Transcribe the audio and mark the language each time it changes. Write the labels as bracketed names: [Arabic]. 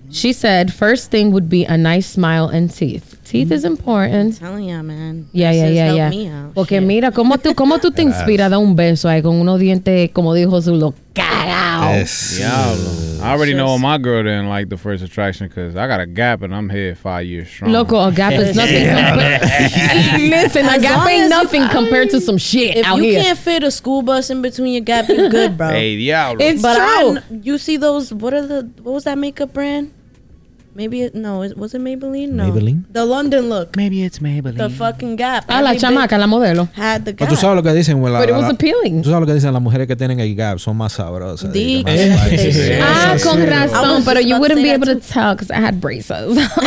[English] She said, first thing would be a nice smile and teeth. Teeth is important. I'm telling you, man. Yeah. Me out. [Spanish] Porque mira, ¿cómo tú te inspiras a dar un beso ahí con unos dientes, como dijo Zulo, cagao? [English] Yes. Yeah, I already know what my girl didn't like the first attraction because I got a gap and I'm here 5 years strong. Loco, a gap is nothing. Listen, a gap ain't nothing compared to some shit out here. If you can't fit a school bus in between your gap, you're good, bro. Hey, yeah, bro. It's but true. You see those, what was that makeup brand? Maybe it, no, was it Maybelline? No. Maybelline? The London look. Maybe it's Maybelline. The fucking gap. [Spanish] Ah, la chamaca, la modelo. [English] Had the gap. [Spanish] But, tú sabes lo que dicen, [English] but [Spanish] la, [English] it was appealing. [Spanish] Tú sabes lo que dicen, las mujeres que tienen el gap son más sabrosas. Ah, con razón, pero [English] you wouldn't be able to tell because I had braces.